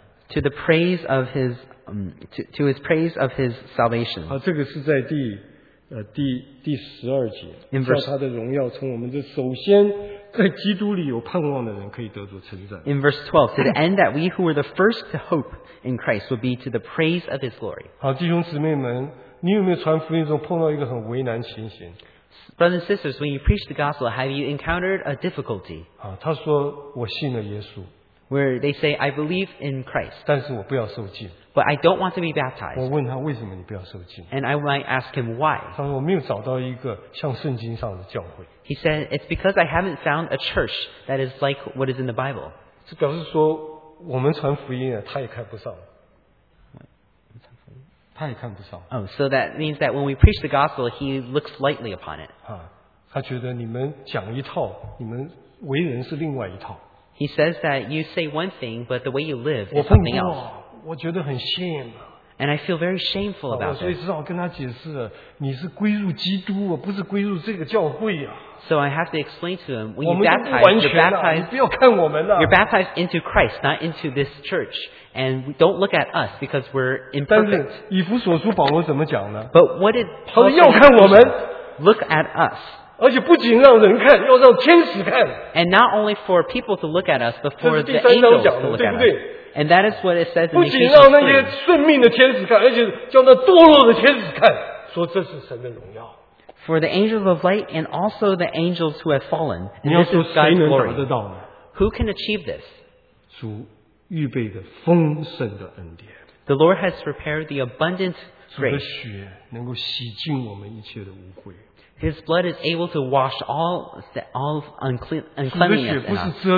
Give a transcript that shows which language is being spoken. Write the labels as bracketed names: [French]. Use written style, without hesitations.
[English] To the praise of his, to his praise of his salvation. [Chinese] 好，这个是在第十二节，叫他的荣耀从我们这首先在基督里有盼望的人可以得着称赞。 [English] In verse 12, to the end that we who were the first to hope in Christ would be to the praise of his glory. [Chinese] 好，弟兄姊妹们，你有没有传福音中碰到一个很为难情形？ [English] Brothers and sisters, when you preach the gospel, have you encountered a difficulty? [Chinese] 啊，他说我信了耶稣。 [English] Where they say, I believe in Christ. [Chinese] 但是我不要受浸。 [English] But I don't want to be baptized. [Chinese] 我问他为什么你不要受浸。 [English] And I might ask him why. [Chinese] 他说我没有找到一个像圣经上的教会。 [English] He said, it's because I haven't found a church that is like what is in the Bible. [Chinese] 这表示说我们传福音啊，他也看不上。他也看不上。 [English] Oh, so that means that when we preach the gospel, he looks lightly upon it. [Chinese] 啊，他觉得你们讲一套，你们为人是另外一套。 [English] He says that you say one thing, but the way you live is something else. [Chinese] 我觉得很 shame. [English] And I feel very shameful about it. [Chinese] 所以我跟他解释，你是归入基督，不是归入这个教会啊。 [English] So I have to explain to him, when you're baptized, you're baptized into Christ, not into this church. And don't look at us because we're imperfect. [Chinese] 但是以弗所书保罗怎么讲呢？ [English] But what did Paul say? [Chinese] 要看我们。 [English] Look at us. [Chinese] 而且不仅让人看，要让天使看。 [English] And not only for people to look at us, but for the angels to look at us. [Chinese] 对不对？ [English] And that is what it says in the Ephesians 3. [Chinese] 不仅让那些顺命的天使看，而且叫那堕落的天使看，说这是神的荣耀。 [English] For the angels of light and also the angels who have fallen, and this is God's glory. [Chinese] 你要说谁能达得到呢？ [English] Who can achieve this? [Chinese] 主预备的丰盛的恩典。 [English] The Lord has prepared the abundant grace. [Chinese] 主的血能够洗净我们一切的污秽。 [English] His blood is able to wash all uncleanness in us.